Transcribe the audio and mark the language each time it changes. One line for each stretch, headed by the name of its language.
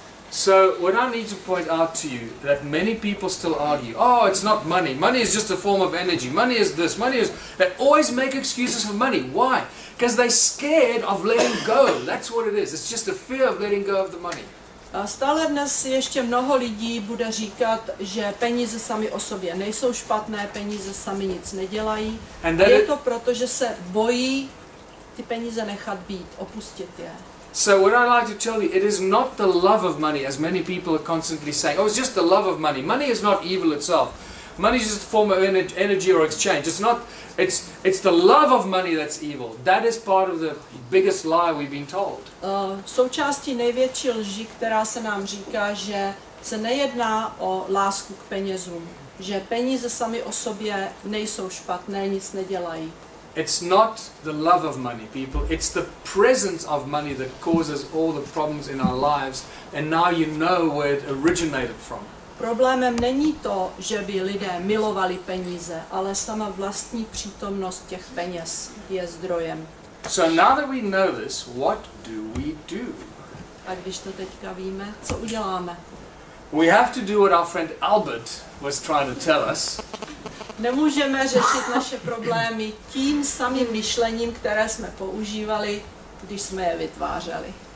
English: So what I need to point out to you that many people still argue, oh, it's not money. Money is just a form of energy. Money is this. Money is. They always make excuses for money. Why? Because they're scared of letting go. That's what it is. It's just a fear of letting go of the money.
Czech: A stále dnes ještě mnoho lidí bude říkat, že peníze sami o sobě nejsou špatné, peníze sami nic nedělají. Je to proto, že se bojí ty peníze nechat být, opustit je.
English: So what I'd like to tell you, it is not the love of money, as many people are constantly saying. Oh, it's just the love of money. Money is not evil itself. Money is just a form of energy or exchange. It's not. It's the love of money that's evil. That is part of the biggest lie we've been told.
Czech: Součástí největší lži, která se nám říká, že se nejedná o lásku k penězům, že peníze sami o sobě nejsou špatné, nic nedělají.
English: It's not the love of money, people. It's the presence of money that causes all the problems in our lives. And now you know where it originated from.
Czech: Problémem není to, že by lidé milovali peníze, ale sama vlastní přítomnost těch peněz je zdrojem.
English: So now that we know this, what do we do?
Czech: A když to teďka víme, co uděláme?
English: We have to do what our friend Albert was trying to tell us.
Czech: Nemůžeme řešit naše problémy tím samým myšlením, které jsme používali, když jsme je vytvářeli.